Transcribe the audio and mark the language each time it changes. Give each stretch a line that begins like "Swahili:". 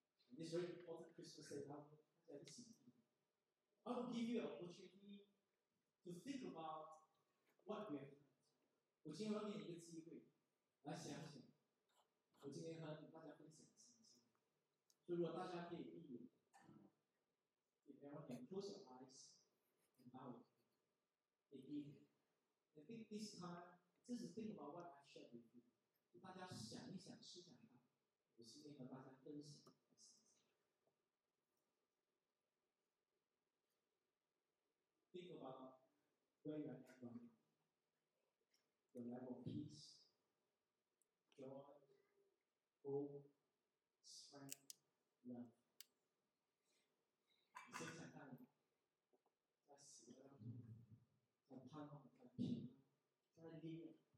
English: And this very important Christmas day, I will give you an opportunity to think about what we have heard.
Chinese: 我今天要给你一个机会来想想我今天和大家分享的信息。所以如果大家可以闭眼
English: if everyone can close your eyes and bow with me, they give me. I think this time,Just think about what I shared with you.
Chinese: 就大家想一想，思想一下，我今天和大家分享的事情。
English: Think about where you are from. The level of peace, joy, hope, strength, love.
Chinese: 你先想看，在喜乐当中，在盼望，在平安，在力量。